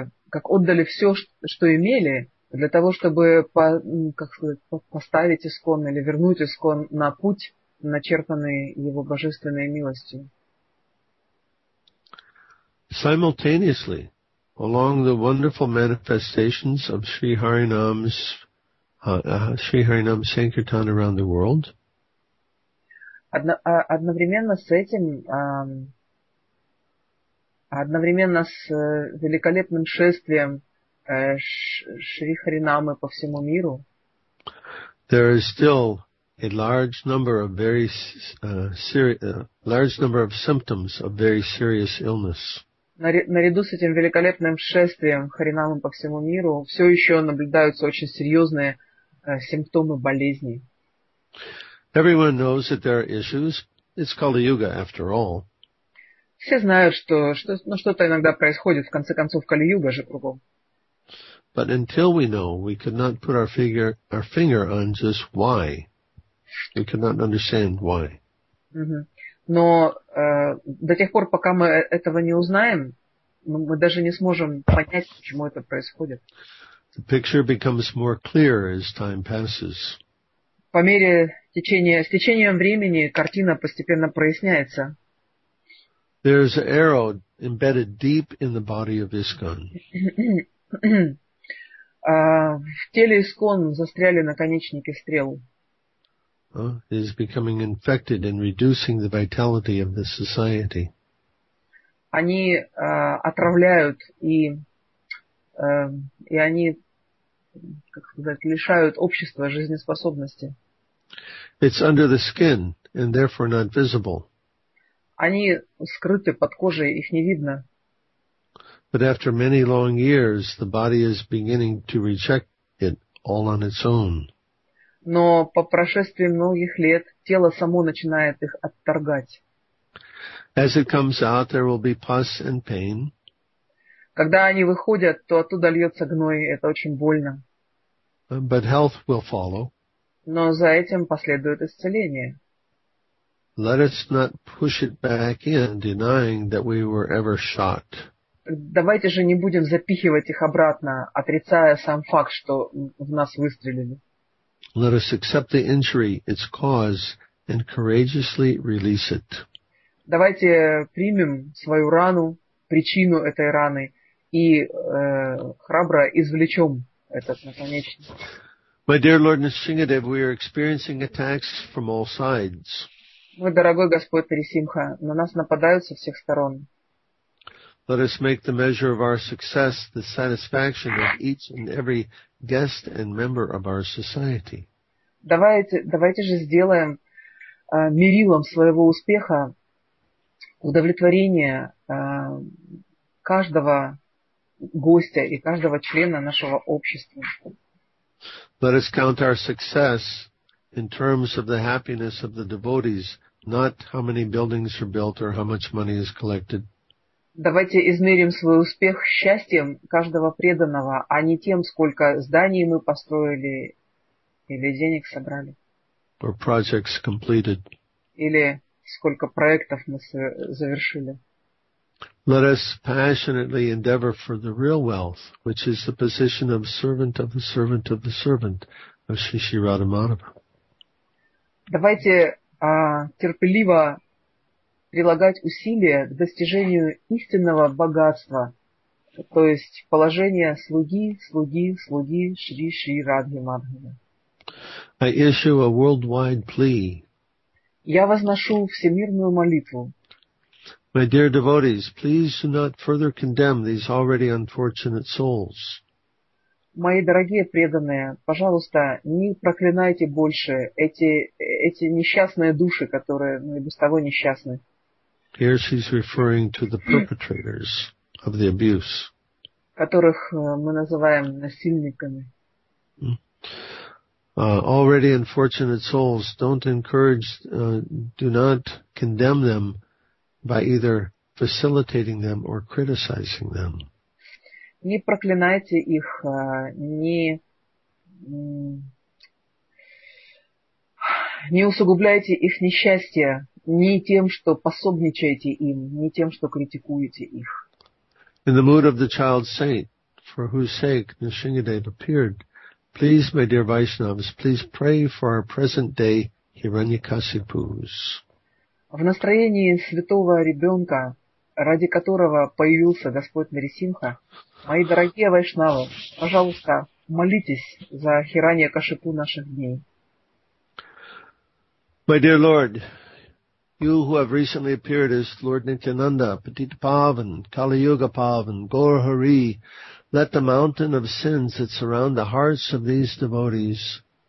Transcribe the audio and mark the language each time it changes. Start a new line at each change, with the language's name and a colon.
Russian: как отдали все, что имели, для того, чтобы поставить ИСККОН или вернуть ИСККОН на путь, начертанный его божественной милостью.
English: Simultaneously, along the wonderful manifestations of Sri Harinam's Sri Harinam Sankirtan around the world.
Russian: Одновременно с великолепным шествием Шри Харинамы по всему миру.
English: There is still a large number of very large number of symptoms of very serious illness.
Russian: Наряду с этим великолепным шествием Харинамы по всему миру все еще наблюдаются очень серьезные симптомы болезни.
English: Everyone knows that there are issues. It's called the Yuga, after all.
Russian: Все знают, что-то иногда происходит, в конце концов, Кали-Юга же кругом.
English: But until we know, we could not put our finger on just why. We could not understand why.
Russian: Но до тех пор, пока мы этого не узнаем, мы даже не сможем понять, почему это происходит.
English: The picture becomes more clear as time passes.
Russian: По мере течения, с течением времени картина постепенно проясняется.
English: There is an arrow embedded deep in the body of ISKCON.
Russian: В теле ИСККОН застряли наконечники стрел.
English: It is becoming infected and reducing the vitality of the society.
Russian: Они отравляют и они, как сказать, лишают общества жизнеспособности.
English: It's under the skin and therefore not visible.
Russian: Они скрыты под кожей, их не видно.
English: But after many long years, the body is beginning to reject it all on its own.
Russian: Но по прошествии многих лет тело само начинает их отторгать.
English: As it comes out, there will be pus and pain.
Russian: Когда они выходят, то оттуда льется гной, это очень больно.
English: But health will follow.
Russian: Но за этим последует исцеление.
English: Let us not push it back in, denying that we were ever shot.
Russian: Давайте же не будем запихивать их обратно, отрицая сам факт, что в нас выстрелили.
English: Let us accept the injury, its cause, and courageously release it.
Russian: Давайте примем свою рану, причину этой раны, и храбро извлечем этот наконечник.
English: My dear Lord Nrisimhadev, we are experiencing attacks from all sides.
Russian: Мой дорогой Господь Нрисимха, на нас нападают со всех сторон.
English: Let us make the measure of our success the satisfaction of each and every guest and member of our society.
Russian: Давайте же сделаем мерилом своего успеха удовлетворение каждого гостя и каждого члена нашего общества.
English: Let us count our success in terms of the happiness of the devotees. Not how many buildings are built or how much money is collected.
Russian: Давайте измерим свой успех счастьем каждого преданного, а не тем, сколько зданий мы построили или денег собрали.
English: Or projects completed.
Russian: Или сколько проектов мы завершили.
English: Let us passionately endeavor for the real wealth, which is the position of servant of the servant of the servant of Shri Shri Radha Madhava.
Russian: Давайте терпеливо прилагать усилия к достижению истинного богатства, то есть положения слуги Шри Шри Радхи Мадхавы.
English: I issue a worldwide plea.
Russian: Я возношу всемирную молитву.
English: My dear devotees, please do not further condemn these already unfortunate souls.
Russian: Мои дорогие преданные, пожалуйста, не проклинайте больше эти несчастные души, которые и без того несчастны.
English: Here she's referring to the perpetrators of the abuse.
Russian: Которых мы называем насильниками.
English: Already unfortunate souls, don't encourage, do not condemn them by either facilitating them or criticizing them.
Russian: Не проклинайте их, не усугубляйте их несчастье ни тем, что пособничаете им, ни тем, что критикуете их.
English: In the mood of the child saint, for whose sake Nrisimhadev appeared, please, my dear Vaishnavas, please pray for our present-day Hiranyakasipus.
Russian: В настроении святого ребенка, ради которого появился Господь Нарисимха, мои дорогие вайшнавы, пожалуйста, молитесь за Хираньякашипу наших дней.
English: My dear Lord, you who have recently appeared as Lord Nityananda, Patitapavan, Kaliyugapavan, Gaurahari, let the mountain of sins that surround the hearts of these devotees